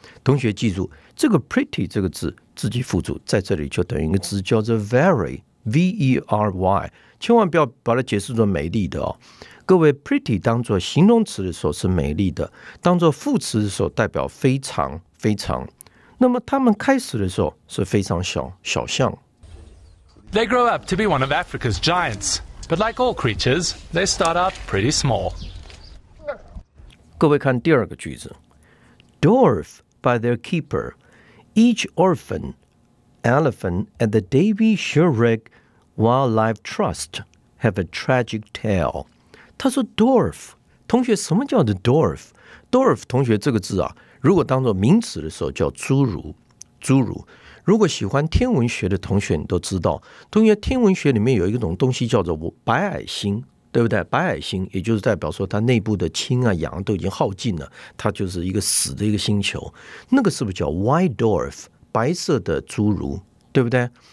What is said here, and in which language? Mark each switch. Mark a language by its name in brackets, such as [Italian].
[Chinese] 同学记住。这个 pretty 这个字自己附注在这里就等于一个字叫做 very，V-E-R-Y， 千万不要把它解释成美丽的哦。各位 pretty 当作形容词的时候是美丽的，当作副词的时候代表非常非常。那么他们开始的时候是非常小，小象。 [English] They grow up to be one of Africa's giants, but like all creatures, they start out pretty small. [Chinese] 各位看第二个句子 ，dwarf。 [English] By their keeper, each orphan elephant at the David Sheldrick Wildlife Trust have a tragic tale. [Chinese] 他说 dwarf， 同学什么叫做 dwarf？ dwarf 同学这个字啊，如果当作名词的时候叫侏儒，侏儒。如果喜欢天文学的同学，你都知道，同学天文学里面有一种东西叫做白矮星。对不对？白矮星也就是代表说它内部的氢啊氧都已经耗尽了，它就是一个死的一个星球，那个是不是叫 white dwarf， 白色的侏儒，对不对？